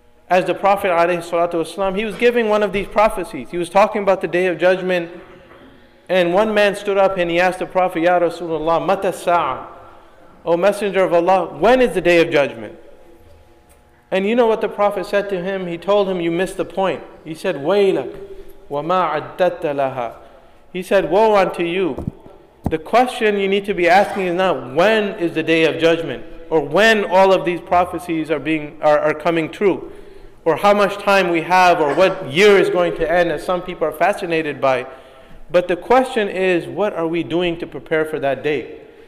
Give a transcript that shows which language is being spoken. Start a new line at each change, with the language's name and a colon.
English: As the Prophet alayhi salatu wasalam, he was giving one of these prophecies. He was talking about the Day of Judgment, and one man stood up and he asked the Prophet,
Arabic: Ya Rasulullah, Mata Sa'a?
English: O Messenger of Allah, when is the Day of Judgment? And you know what the Prophet said to him? He told him, you missed the point.
Arabic: He said, وَيْلَكْ وَمَا عَدَّتَّ لَهَا.
English: He said, woe unto you. The question you need to be asking is not, when is the Day of Judgment? Or when all of these prophecies are coming true? Or how much time we have? Or what year is going to end, as some people are fascinated by? But the question is, what are we doing to prepare for that day?